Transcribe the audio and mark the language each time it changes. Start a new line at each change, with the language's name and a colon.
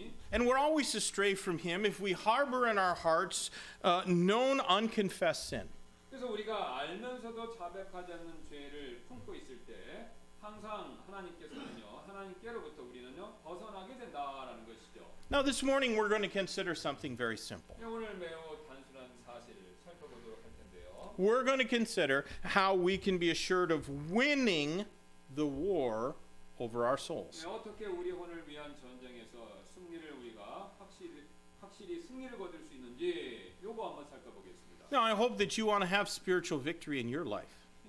English: And we're always astray from him if we harbor in our hearts known unconfessed sin.
Korean: 그래서 우리가 알면서도 자백하지 않는 죄를 품고 있을 때 항상 하나님께서는요 하나님께로부터 우리는요 벗어나게 된다라는 것이죠.
English: Now this morning we're going to consider something very simple.
Korean: 오늘 매우 단순한 사실을 살펴보도록 할 텐데요.
English: We're going to consider how we can be assured of winning the war over our souls.
Korean: 네, 어떻게 우리 혼을 위한 전쟁에서 승리를 우리가 확실히 승리를 거둘 수 있는지 요거 한번 살펴보겠습니다.
English: Now, I hope that you want to have spiritual victory in your life.